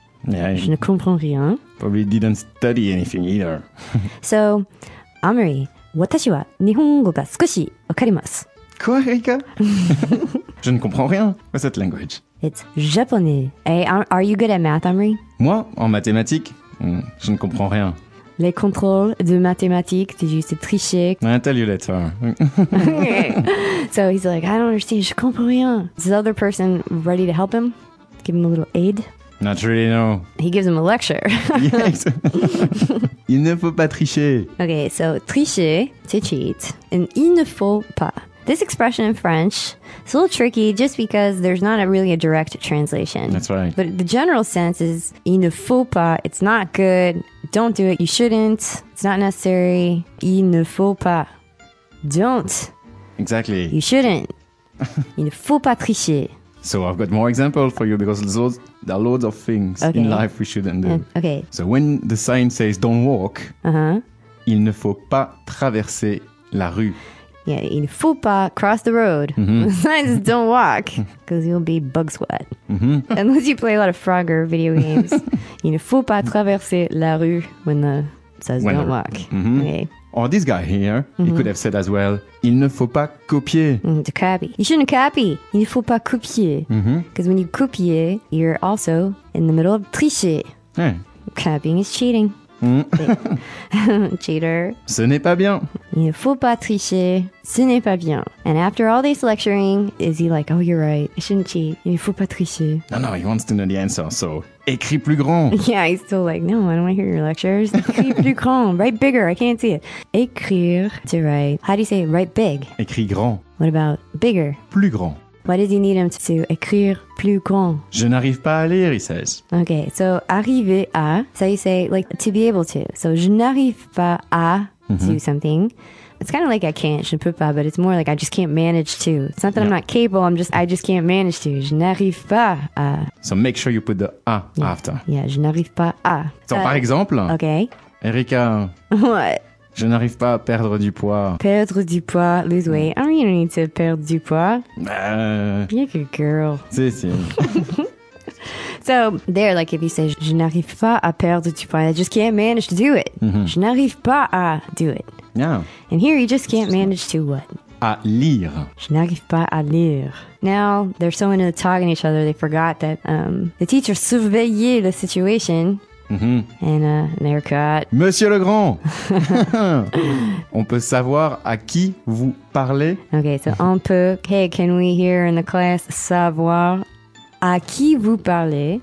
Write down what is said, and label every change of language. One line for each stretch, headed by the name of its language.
English: Yeah.
French: Je ne comprends rien.
English: Probably didn't study anything either.
Japanese: So, Amory, 私は日本語が少しわかります。
French: Quoi, Erika? Je ne comprends rien.
English: What's that language? It's japonais. Hey, are you good at math, Amory?
French: Moi, en mathématiques, je ne comprends rien. Les contrôles de mathématiques,
English: did you say
French: tricher?
English: I'll tell you later. So he's like, I don't understand,
French: je comprends rien.
English: Is this other person ready to help him? Give him a little aid? Not really, no. He gives him a lecture.
French: Yes. Il ne faut pas tricher.
English: Okay, so tricher, to cheat. And
French: il ne faut pas.
English: This expression in French is a little tricky just because there's not really a direct translation. That's right. But the general sense is,
French: il ne faut pas,
English: it's not good, don't do it, you shouldn't, it's not necessary.
French: Il ne faut pas, don't.
English: Exactly. You shouldn't.
French: Il ne faut pas tricher.
English: So I've got more examples for you because there are loads of things okay. in life we shouldn't do. Okay. So when the sign says don't walk, uh-huh.
French: il ne faut pas traverser la rue.
English: Yeah,
French: il ne faut pas
English: cross the road. Mm-hmm. Signs don't walk because you'll be bug sweat. Mm-hmm. Unless you play a lot of Frogger video games.
French: Il ne faut pas traverser la rue
English: when the says when don't walk. Mm-hmm. Okay. Or this guy here, mm-hmm. he could have said as well,
French: il ne faut pas copier.
English: To copy. You shouldn't copy.
French: Il ne faut pas copier.
English: Because mm-hmm. when you copier, you're also in the middle of tricher. Hey. Copying is cheating. Cheater.
French: Ce n'est pas bien. Il ne faut pas tricher. Ce n'est pas bien.
English: And after all this lecturing, is he like, oh, you're right. I shouldn't cheat.
French: Il ne faut pas tricher.
English: No, no, he wants to know the answer.
French: So, écris plus grand.
English: Yeah, he's still like, no, I don't want to hear your lectures.
French: Écris plus grand.
English: Write bigger. I can't see it. Écrire to write. How do you say write big?
French: Écris grand.
English: What about bigger?
French: Plus grand.
English: Why does he need him to écrire plus grand?
French: Je n'arrive pas à lire,
English: he says. Okay, so arriver à, so you say, like, to be able to. So
French: je n'arrive pas à
English: do something. It's kind of like I can't,
French: je ne peux pas,
English: but it's more like I just can't manage to. It's not that I'm not capable, I just can't manage to.
French: Je n'arrive pas à.
English: So make sure you put the à after.
French: Yeah, je n'arrive pas à. So par exemple,
English: okay. Erika. What?
French: Je n'arrive pas à perdre du poids. Perdre du poids,
English: lose weight. I mean, you don't need to
French: perdre du poids.
English: Be a good girl.
French: Si, si.
English: So there, like if you say,
French: je n'arrive pas à perdre du poids,
English: I just can't manage to do it. Mm-hmm.
French: Je n'arrive pas à
English: do it. Yeah. And here, you just can't manage to what?
French: À lire. Je n'arrive pas à lire.
English: Now, they're so into talking to each other, they forgot that the teacher surveillait the situation. Mm-hmm. And an haircut.
French: Monsieur le Grand! On peut savoir à qui vous parlez?
English: Okay, so
French: on peut.
English: Hey, can we hear in the class
French: savoir à qui vous parlez?